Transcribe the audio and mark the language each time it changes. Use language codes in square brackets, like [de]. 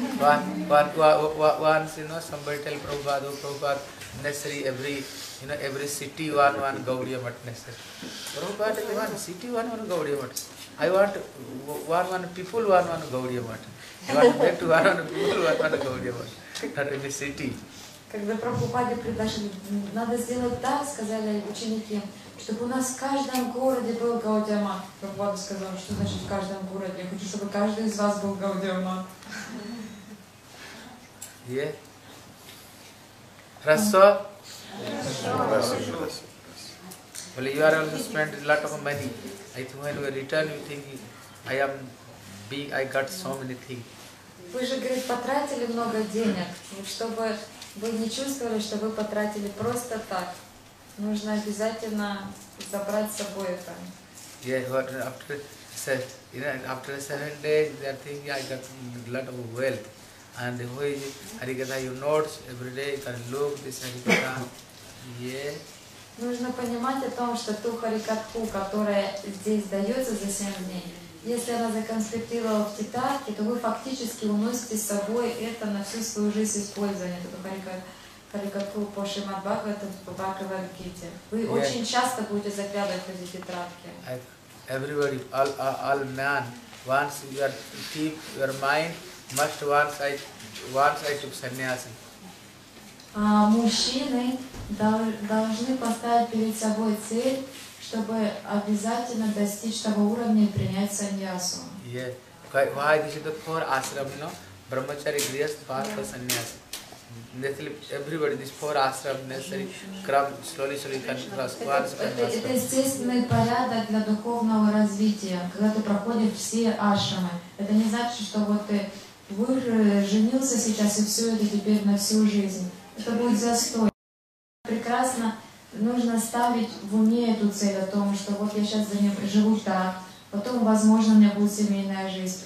[en] Once, you know, somebody tell Prabhupada, Prabhupada, necessary every, you know, every city, one Gaudiya Mat necessary. Prabhupada, you want city, one Gaudiya Mat. I want one people, one Gaudiya Mat. You want to get one people, one Gaudiya Mat. Not in the city. [ru] Когда Прабхупаде предложили, надо сделать так, сказали ученики, чтобы у нас в каждом городе был Гаудия Мат. Прабхупада сказал, что значит в каждом городе? Я хочу, чтобы каждый из вас был Гаудия Мат. Хорошо? Хорошо. [en] Well, you are also spent a lot of money. I think when we return, you think I got so many things. [ru] Вы же, говорит, потратили много денег, чтобы... Вы не чувствовали, что вы потратили просто так. Нужно обязательно забрать с собой это. [en] Yeah, after 7 days, they are thinking I got a lot of wealth. And who is Harikatha, you notes every day, you can look this Harikatha. Yeah. [ru] Нужно понимать о том, что ту Харикатху, которая здесь дается за 7 дней, если она законспектировала в тетрадке, то вы фактически уносите с собой это на всю свою жизнь использования. Это харикатху по Шримад Бхагаватам, по Бхагавад Гите. Вы очень часто будете заглядывать в эти тетрадки. [en] Everybody, all man, once you are keep your mind, must once I took sannyasi. [ru] мужчины должны поставить перед собой цель, чтобы обязательно достичь того уровня и принять саньясу. [en] Why this is the four ashram, no? Brahmachari, Grihastha, Vastha, Sannyasa. Everybody, these four ashram necessary, come slowly, slowly, [ru] это естественный порядок для духовного развития, когда ты проходишь все ашрамы. Это не значит, что вот ты женился сейчас и все это теперь на всю жизнь. Это будет застой. Прекрасно нужно ставить в уме эту цель о том, что вот я сейчас за нее проживу так, потом, возможно, у меня будет семейная жизнь.